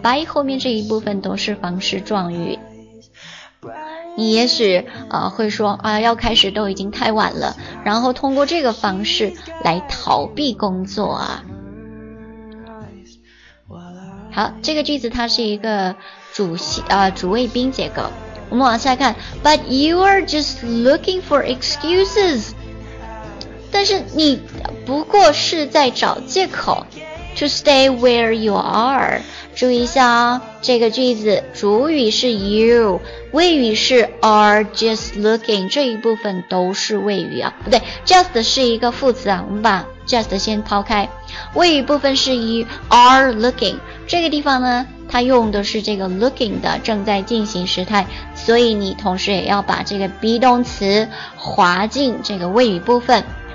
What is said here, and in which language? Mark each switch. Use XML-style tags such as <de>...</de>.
<zh>by 后面这一部分都是方式状语。你也许会说啊，要开始都已经太晚了，然后通过这个方式来逃避工作啊。好，这个句子它是一个主谓宾结构。我们往下看，</zh> <en>But you are just looking for excuses，</en> <zh>但是你不过是在找借口，</zh> <en>To stay where you are。</en> <zh>注意一下哦，这个句子主语是 you， 谓语是 are just looking， 这一部分都是谓语啊，不对， just 是一个副词啊，我们把 just 先抛开，谓语部分是</zh> <en>you are looking，</en> <zh>这个地方呢它用的是这个 looking 的正在进行时态，所以你同时也要把这个 be 动词划进这个谓语部分。</zh>